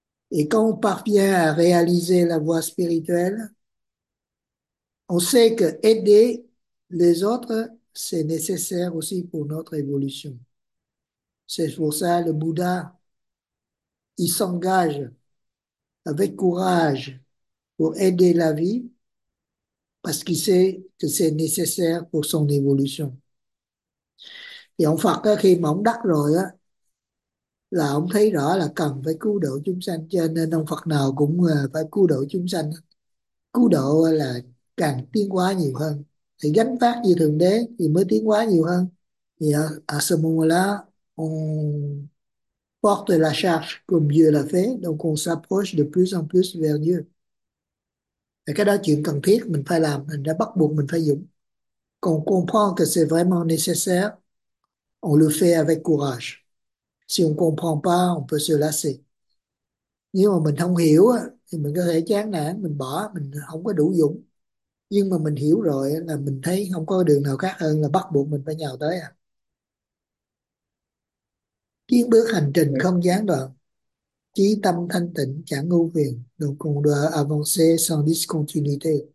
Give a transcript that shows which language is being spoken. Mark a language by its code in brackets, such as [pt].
[fr] Et quand on parvient à réaliser la voie spirituelle, on sait que aider les autres, c'est nécessaire aussi pour notre évolution. C'est pour ça que le Bouddha, il s'engage avec courage pour aider la vie parce qu'il sait que c'est nécessaire pour son évolution. Et en fait, [vi] khi mà ông đắc rồi á, là ông thấy rõ là cần phải cứu độ chúng sanh, cho nên ông Phật nào cũng phải cứu độ chúng sanh. Cứu độ là càng tiến hóa nhiều hơn thì gánh vác như thượng đế thì mới tiến hóa nhiều hơn. Thì [fr] à ce moment-là on porte la charge comme Dieu l'a fait, donc on s'approche de plus en plus vers Dieu. [vi] Và cái đó chuyện cần thiết mình phải làm, mình đã bắt buộc mình phải dũng. [fr] Còn comprendre que c'est vraiment nécessaire, on le fait avec courage. Si on comprend pas, on peut se lasser. [vi] Nếu mà mình không hiểu thì mình có thể chán nản, mình bỏ, mình không có đủ dũng. Nhưng mà mình hiểu rồi là mình thấy không có đường nào khác hơn là bắt buộc mình phải nhào tới. Tiến bước hành trình không gián đoạn, chí tâm thanh tịnh chẳng ưu phiền, [fr] donc on doit avancer sans discontinuité.